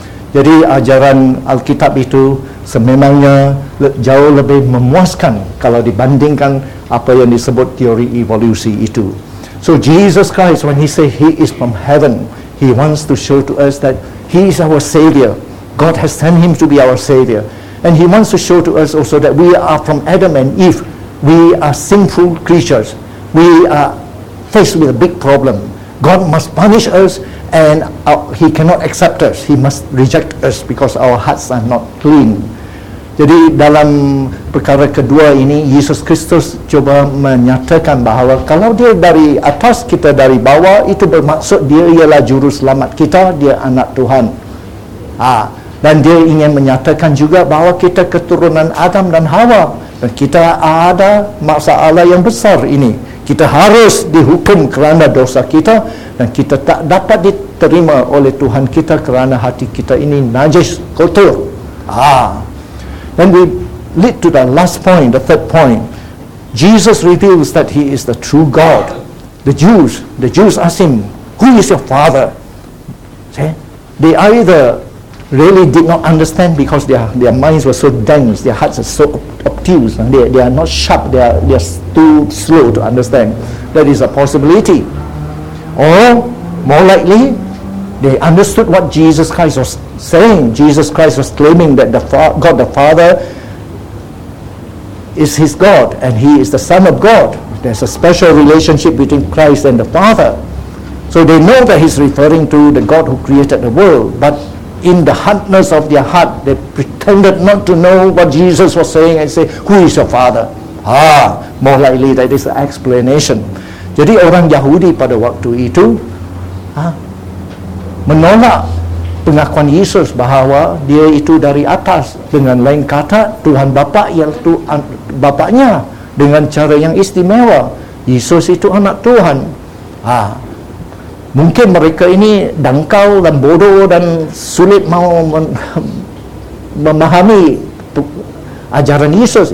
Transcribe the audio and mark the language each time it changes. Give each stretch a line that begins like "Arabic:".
Malay: Jadi ajaran Alkitab itu sememangnya jauh lebih memuaskan kalau dibandingkan apa yang disebut teori evolusi itu.
English: So Jesus Christ, when he says he is from heaven, he wants to show to us that he is our savior. God has sent him to be our savior. And he wants to show to us also that we are from Adam and Eve. We are sinful creatures. We are faced with a big problem. God must punish us, and he cannot accept us. He must reject us because our hearts are not clean.
Malay: Jadi dalam perkara kedua ini, Yesus Kristus coba menyatakan bahawa kalau dia dari atas, kita dari bawah, itu bermaksud dia ialah juru selamat kita, dia anak Tuhan. Dan dia ingin menyatakan juga bahawa kita keturunan Adam dan Hawa. Dan kita ada masalah yang besar ini. Kita harus dihukum kerana dosa kita, dan kita tak dapat diterima oleh Tuhan kita kerana hati kita ini najis, kotor.
English: And we lead to the last point, the third point. Jesus reveals that he is the true God. The Jews ask him, who is your father? See? They either really did not understand because their minds were so dense, their hearts are so obtuse, and they are not sharp, they are too slow to understand. That is a possibility. Or, more likely, they understood what Jesus Christ was saying. Jesus Christ was claiming that God the Father is his God and he is the Son of God. There's a special relationship between Christ and the Father. So they know that he's referring to the God who created the world. But in the hardness of their heart, they pretended not to know what Jesus was saying and say, who is your Father? More likely that is the explanation.
Malay: Jadi orang Yahudi pada waktu itu, menolak pengakuan Yesus bahawa dia itu dari atas. Dengan lain kata, Tuhan Bapa iaitu Bapaknya dengan cara yang istimewa. Yesus itu anak Tuhan. Mungkin mereka ini dangkal dan bodoh dan sulit mau memahami ajaran Yesus.